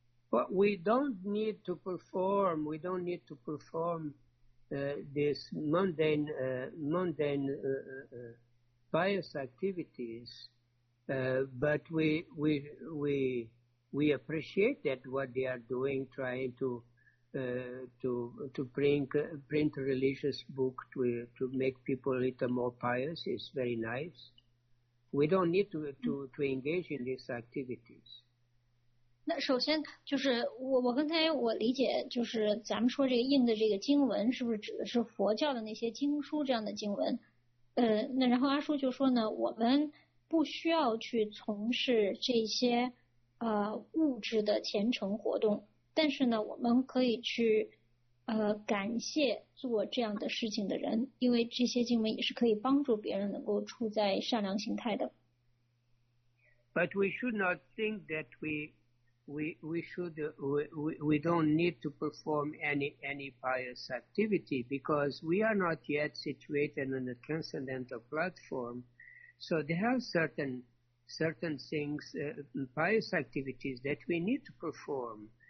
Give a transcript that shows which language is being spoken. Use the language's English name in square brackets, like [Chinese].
[English] But we don't need to perform, these mundane pious activities, but we appreciate that what they are doing, trying to print a religious book to make people a little more pious is very nice. We don't need to engage in these activities. [Chinese] 那首先就是我刚才我理解就是咱们说这个印的这个经文是不是指的是佛教的那些经书这样的经文？那然后阿叔就说呢，我们不需要去从事这些物质的虔诚活动。但是呢，我们可以去感谢做这样的事情的人，因为这些经文也是可以帮助别人能够处在善良形态的。 [English] But we should not think that we don't need to perform any pious activity because we are not yet situated on the transcendental platform. So there are certain things, pious activities that we need to perform.